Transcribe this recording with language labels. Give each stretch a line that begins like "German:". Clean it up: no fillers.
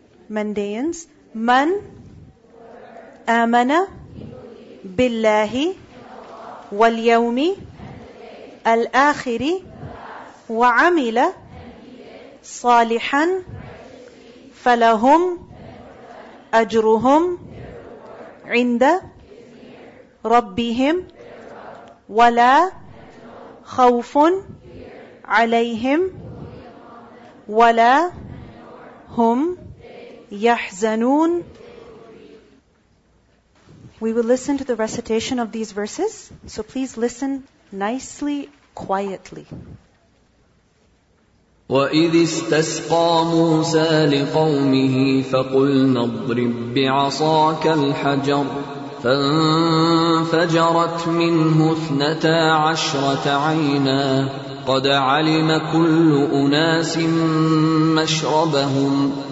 Arabic: Mandaeans, من آمن بالله واليوم الآخر وعمل صالحا فلهم أجرهم عند ربهم ولا خوف عليهم ولا هم يحزنون.
English: We will listen to the recitation of these verses, so please listen nicely, quietly.
Arabic: وإذ استسقى موسى لقومه فقلنا اضرب بعصاك الحجر فانفجرت منه اثنتا عشرة عينا قد علم كل أناس مشربهم